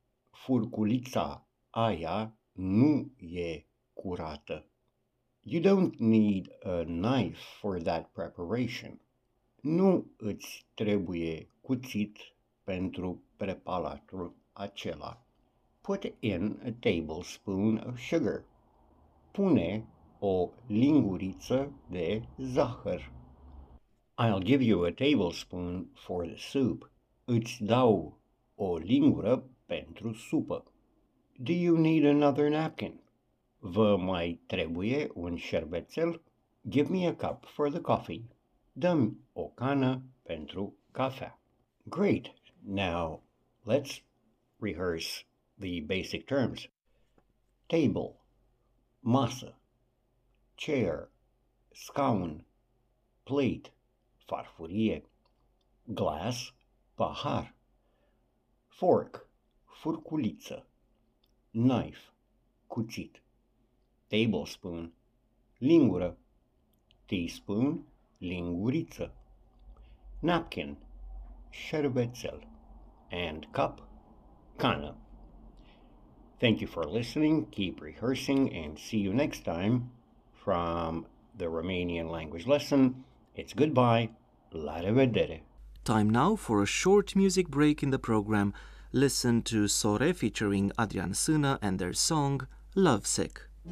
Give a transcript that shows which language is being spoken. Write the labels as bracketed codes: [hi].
[ro] Furculița aia nu e curată. [en] You don't need a knife for that preparation. [ro] Nu îți trebuie cuțit pentru preparatul acela. [en] Put in a tablespoon of sugar. [ro] Pune o linguriță de zahăr. [en] I'll give you a tablespoon for the soup. [ro] Îți dau o lingură pentru supă. [en] Do you need another napkin? [ro] Vă mai trebuie un șervețel? [en] Give me a cup for the coffee. [ro] Dă-mi o cană pentru cafea. [en] Great! Now, let's rehearse the basic terms. Table, masă, chair, scaun, plate, farfurie, glass, pahar, fork, furculiță, knife, cuțit, tablespoon, lingură, teaspoon, linguriță, napkin, șervețel, and cup, cană. Thank you for listening, keep rehearsing, and see you next time from the Romanian language lesson. It's goodbye. [ro] La revedere. [en] Time now for a short music break in the program. Listen to Sore featuring Adrian Sână and their song Lovesick.